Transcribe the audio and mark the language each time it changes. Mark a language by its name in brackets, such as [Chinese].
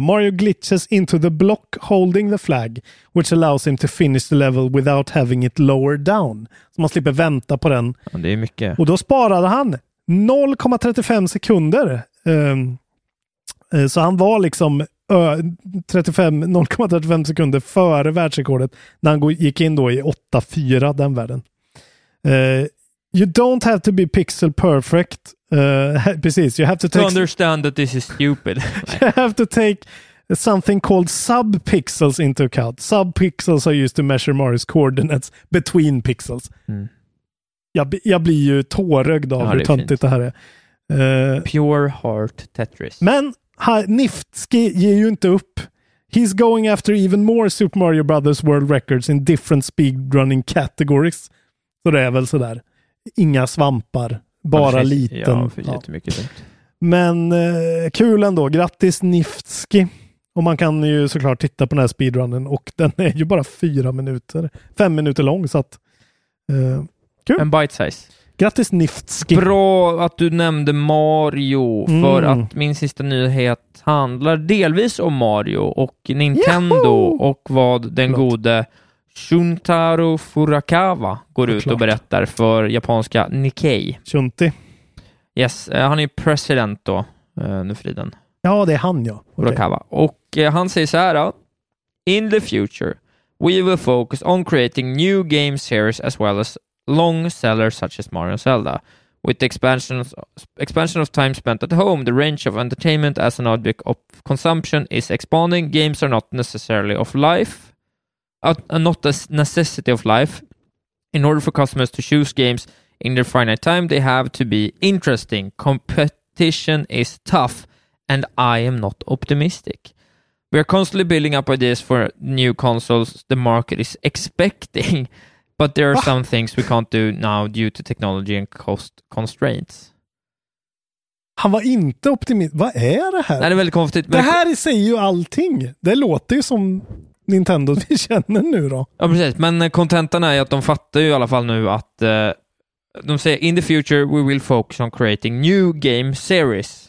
[English] Mario glitches into the block holding the flag, which allows him to finish the level without having it lower down. [Swedish] Så man slipper vänta på den. Ja, det är mycket. Och då sparade han 0,35 sekunder. Så han var liksom 0,35 sekunder före världsrekordet när han gick in då i 8-4 den världen. [English] You don't have to be pixel perfect. [Swedish] Precis. [English] You have to take understand that this is stupid. You have to take something called subpixels into account. Subpixels are used to measure Mario's coordinates between pixels. [Swedish] Mm. Jag blir ju tårögd av hur töntigt det här är. [English] Pure heart Tetris. [Swedish] Men Niftski ger ju inte upp. [English] He's going after even more Super Mario Brothers world records in different speedrunning categories. [Swedish] Så det är väl så där. Inga svampar, bara liten. Ja, jättemycket. Ja. Men kul ändå. Grattis Niftski. Och man kan ju såklart titta på den här speedrunnen och den är ju bara 4 minuter. 5 minuter lång, så att kul. En bite size. Grattis Niftski. Bra att du nämnde Mario, för att min sista nyhet handlar delvis om Mario och Nintendo. Yahoo! Och vad den Blott. Gode Shuntaro Furukawa går ut och berättar för japanska Nikkei. Shunti. Yes, han är president då, nu för tiden. Ja, det är han, ja. Okay. Furukawa. Och han säger så här då. [English] In the future, we will focus on creating new game series as well as long sellers such as Mario and Zelda. With the expansion of time spent at home, the range of entertainment as an object of consumption is expanding. Games are not necessarily of life. Not a necessity of life. In order for customers to choose games in their finite time, they have to be interesting. Competition is tough, and I am not optimistic. We are constantly building up ideas for new consoles the market is expecting, but there are some things we can't do now due to technology and cost constraints. [Swedish] Han var inte optimist. Vad är det här? Nej, det är väldigt konstigt. Det här säger ju allting. Det låter ju som Nintendo vi känner nu då. Ja, precis. Men kontentan är att de fattar ju i alla fall nu att de säger [English] in the future we will focus on creating new game series.